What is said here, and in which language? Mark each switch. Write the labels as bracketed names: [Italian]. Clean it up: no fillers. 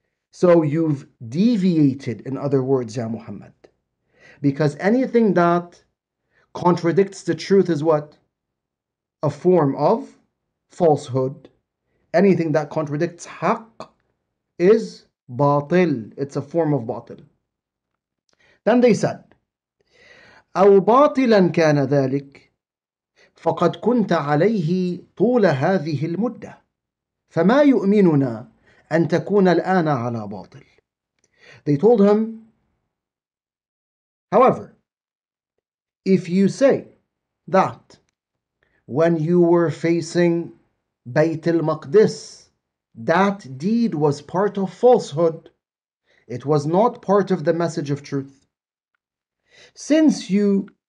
[English] So you've deviated, in other words, Ya Muhammad. Because anything that contradicts the truth is what? A form of falsehood. Anything that contradicts haqq is batil, it's a form of batil. Then they said, [Arabic] أو باطلا كان ذلك فقد كنت عليه طول هذه المدة فما يؤمننا أن تكون الآن على باطل. [English] They told him, however, if you say that when you were facing Bayt al-Maqdis, that deed was part of falsehood, it was not part of the message of truth, since you